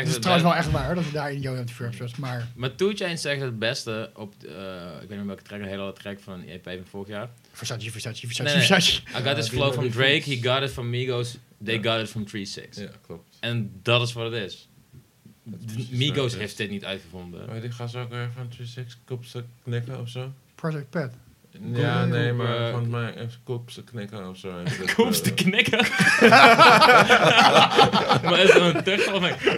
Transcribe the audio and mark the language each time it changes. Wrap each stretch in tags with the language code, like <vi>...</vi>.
<nl>Het is trouwens wel echt waar dat hij daar in Young MTV Raps was, maar... Maar 2 Chainz zegt het beste op... ik weet niet welke track, een hele andere track van een EP van vorig jaar. Versace.</nl> <en>I got this flow from Drake, he got it from Migos, they got it from 3-6.</en> <nl>Ja, klopt. En dat is wat het is. Migos heeft dit niet uitgevonden. Maar die gaan ze ook weer van 3-6 kopse knikken of zo? Project Pat. Ja, nee, maar van mij kopse knikken of zo. Kopse knikken? Maar is dat een tucht of een...</nl>